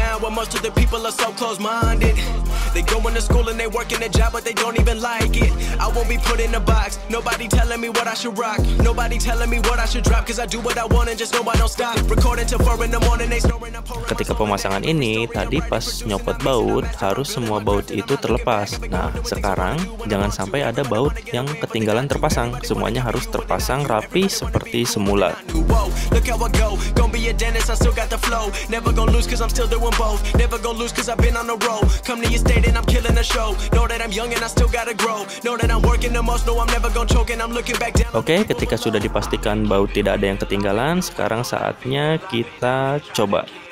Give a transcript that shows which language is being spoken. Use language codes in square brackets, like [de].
[en] Most of the people are so close-minded. They go into school and they work in a job, but they don't even like it. I won't be put in a box. Nobody telling me what I should rock. Nobody telling me what I should drop, cause I do what I want and just know I don't stop. Recording till 4 in the morning, they snoring, I'm pouring. [id] Ketika pemasangan ini, tadi pas nyopot baut, harus semua baut itu terlepas. Nah, sekarang jangan sampai ada baut yang ketinggalan terpasang. Semuanya harus terpasang rapi seperti semula. [en] Look how I go, gonna be a dentist, I still got the flow. Never gonna lose cause I'm still doing both. Never gonna lose cause I've been on the road. Come to your state and I'm killing the show. Know that I'm young and I still gotta grow. Know that I'm working the most, no I'm never gonna choke and I'm looking back down. [id] Oke, ketika sudah dipastikan baut tidak ada yang ketinggalan, sekarang saatnya kita coba.